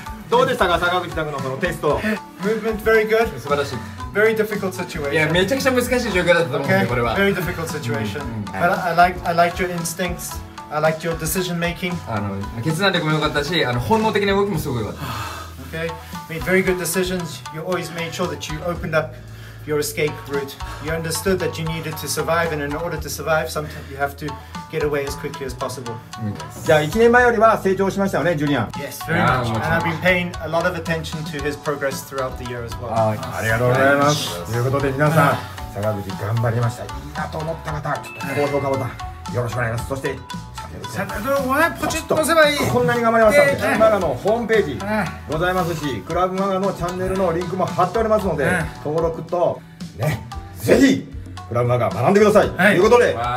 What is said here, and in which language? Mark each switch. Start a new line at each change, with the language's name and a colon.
Japanese: どうでしたか、坂口拓のそのテスト。
English: Movement very good.
Japanese: 素晴らしい。
English: Very difficult situation.
Japanese: いやめちゃくちゃ難しい状況だったと思うんで、これは
English: Very difficult situation. But I like your instinctsI liked your decision making.
Japanese: 決断力も良かったし、本能的な動きもすごい良かった。
English: Okay, made very good decisions. You always made sure that you opened up your escape route. You understood that you needed to survive, and in order to survive, sometimes you have to get away as quickly as possible.
Japanese: じゃあ1年前よりは成長しましたよね、ジュリアン。
English: Yes, very much. And I've been paying a lot of attention to his progress throughout the year as well.
Japanese: ありがとうございます。ということで皆さん、坂口頑張りました。いいなと思った方、ちょっと高評価ボタンよろしくお願いします。そして。ポチッと押せばいい。こんなに頑張りました。クラヴマガのホームページございますし、クラヴマガのチャンネルのリンクも貼っておりますので、登録とね、ぜひクラヴマガ学んでください、はい、ということで、